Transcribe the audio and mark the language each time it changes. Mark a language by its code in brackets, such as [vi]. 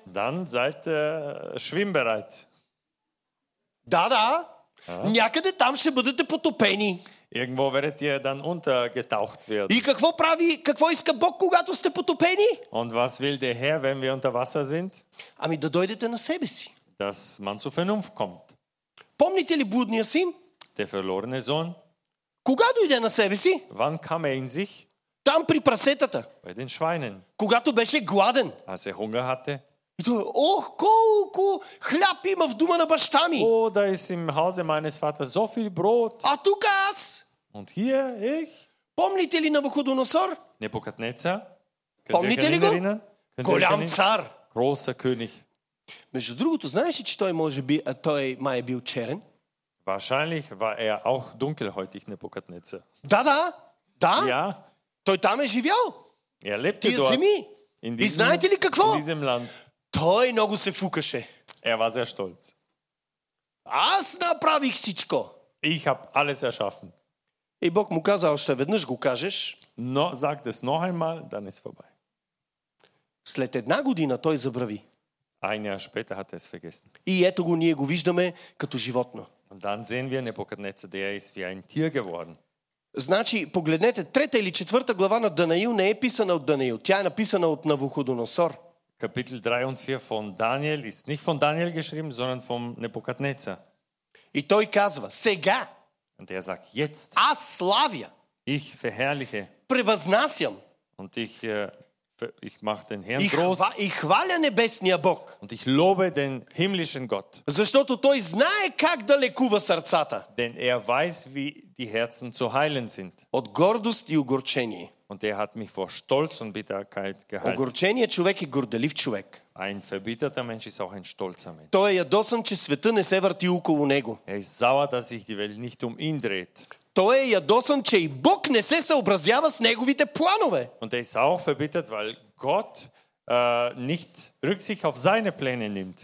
[de] Dann seid schwimmbereit. [bg] Да. Някъде там ще бъдете потопени. [de] Irgendwo werdet ihr dann untergetaucht werden. [bg] И какво прави, какво иска Бог, когато сте потопени? [de] Und was will der Herr, wenn wir unter Wasser sind? [bg] Ами да дойдете на себе си. [de] Dass man zur Vernunft kommt. [bg] Помните ли блудния син? [de] Der verlorene Sohn. [bg] Кога дойде на себе си? [de] Wann kam er in sich? [bg] Там при прасетата. [de] Bei den Schweinen. [bg] Когато беше гладен. [de] Als er Hunger hatte. [bg] И той, ох, колко хляб има в дома на баща ми. [de] О, да е си в хаузе майнес фата, со фил брод. [bg] А тук аз. [de] Und hier, ich. [bg] Помните ли Навуходоносор? Непокатнеца. Помните ли го? Голям цар. [de] Großer König. [bg] Между другото, знаеш ли, че той може би, той май е бил черен? [de] Wahrscheinlich war er auch dunkelhäutig, Nebukadnezar. Da, da, da. Ja. [bg] Той там е живял. [de] Er lebte dort. In diesem, [bg] и знаете ли какво? [de] In diesem Land. [bg] Той много се фукаше. [de] Er war sehr stolz. [bg] Аз направих всичко. [de] Ich habe alles erschaffen. [bg] И Бог му каза, още веднъж го кажеш. [de] No, sagt es noch einmal, dann ist vorbei. [bg] След една година той забрави. [de] Ein Jahr später hat er es vergessen. [bg] И ето го, ние го виждаме като животно. [de] Und dann sehen wir Nebukadnezar, der ist wie ein Tier geworden. [bg] Значи, погледнете, трета или четвърта глава на Даниил не е писана от Даниил. Тя е написана от Навуходоносор. [de] Kapitel 3 und 4 von Daniel ist nicht von Daniel geschrieben, sondern von Nebukadnezar. [bg] И той казва, сега. [de] Und er sagt, jetzt. [bg] Аз славя. [de] Ich verherrliche. [bg] Превъзнасям. [de] Und ich mach den Herrn groß. [bg] Ich хваля небесния Бог. [de] Und ich lobe den himmlischen Gott. [bg] Защото той знае как да лекува сърцата. [de] Denn er weiß, wie die Herzen zu heilen sind. [bg] От гордост и огорчение. [de] Und er hat mich vor Stolz und Bitterkeit gehalten. [bg] Огорчения човек е горделив човек. [de] Ein verbitterter Mensch ist auch ein stolzer Mensch. [bg] Той е ядосан, че света не се върти около него. [de] Er ist sauer, dass sich die Welt nicht um ihn dreht. [bg] Той е ядосан, че и Бог не се съобразява с неговите планове. [de] Und er ist auch verbittert, weil Gott nicht Rücksicht auf seine Pläne nimmt.